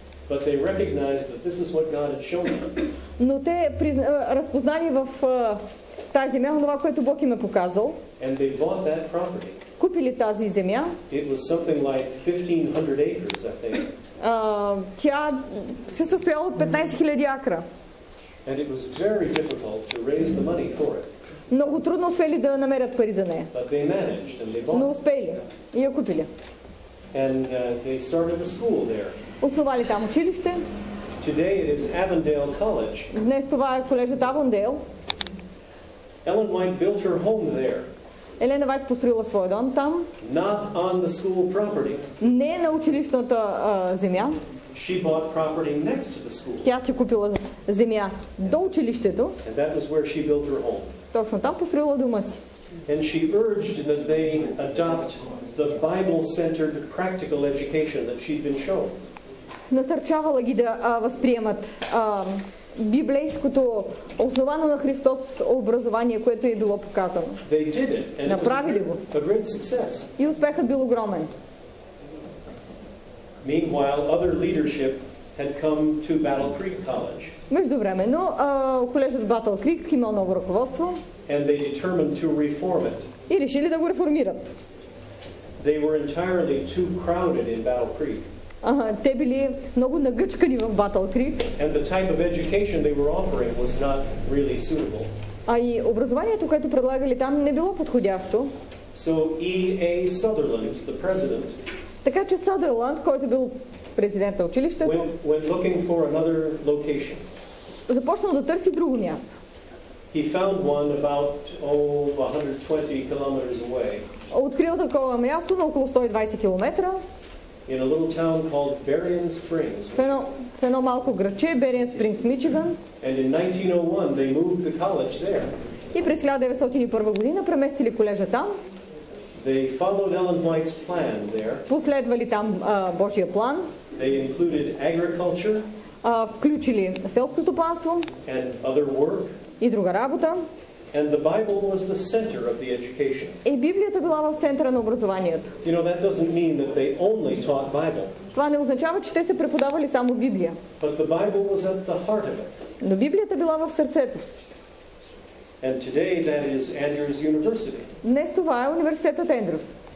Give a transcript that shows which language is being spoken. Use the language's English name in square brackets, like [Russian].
[English] But they recognized that this is what God had shown them. [Bulgarian] Но те разпознали в тази земя това, което Бог им е показал. [English] And they bought that property. [Bulgarian] Купили тази земя. [English] It was something like 1500 acres, I think. [Bulgarian] Тя се състояла от 15 000 акра. [English] And it was very difficult to raise the money for it. [Bulgarian] Много трудно успели да намерят пари за нея. [English] But they managed and they bought. [Bulgarian] Но успели и я купили. [English] And they started a school there. [Bulgarian] Основали там училище. [English] Today it is Avondale College. [Bulgarian] Днес това е колежът Авондейл. [English] Ellen White built her home there. [Bulgarian] Елена Уайт построила свой дом там. [English] Not on the school property. [Bulgarian] Не на училищната земя. [English] She bought property next to the school. [Bulgarian] Тя си купила земя до училището. [English] And that was where she built her home. [Bulgarian] Точно там построила дома си. [English] And she urged that they adopt the Bible-centered practical education that she'd been shown. [Bulgarian] Насърчавала ги да възприемат библейското основано на Христос образование, което е било показано. [English] They did it, and [Bulgarian] направили го. [English] A great success. [Bulgarian] И успехът бил огромен. [English] Meanwhile, other leadership had come to Battle Creek College. [Bulgarian] Междувременно, колежът Battle Creek имал ново ръководство. [English] And they determined to reform it. [Bulgarian] И решили да го реформират. [English] They were entirely too crowded in Battle Creek. [Bulgarian] Те били много нагъчкани в Battle Creek. [English] And the type of education they were offering was not really suitable. [Bulgarian] А и образованието, което предлагали там, не било подходящо. [English] So E.A. Sutherland, the president. [Bulgarian] Така че Съдърланд, който бил президент на училището, [English] went looking for another location. [Bulgarian] Започнал да търси друго място. [English] He found one about 120 kilometers away. [Bulgarian] Открил такова място на около 120 км. [English] In a little town called Berrien Springs. [Bulgarian] В едно малко градче, Berrien Springs, Мичиган. [English] And in 1901 they moved the college there. [Bulgarian] И през 1901 година преместили колежа там. [English] They followed Ellen White's plan there. [Bulgarian] Последвали там Божия план. [English] They included agriculture. [Bulgarian] Включили селско стопанство. [English] And other work. [Bulgarian] И друга работа. [English] And the Bible was the center of the education. [Bulgarian] И Библията била в центъра на образованието. [English] You know, that doesn't mean that they only taught Bible. [Bulgarian] Това не означава, че те се преподавали само Библия. [English] But the Bible was at the heart of it. [Bulgarian] Но Библията била в сърцето. [English] And today that is Andrews University. [Bulgarian] Днес това е университетът Andrews.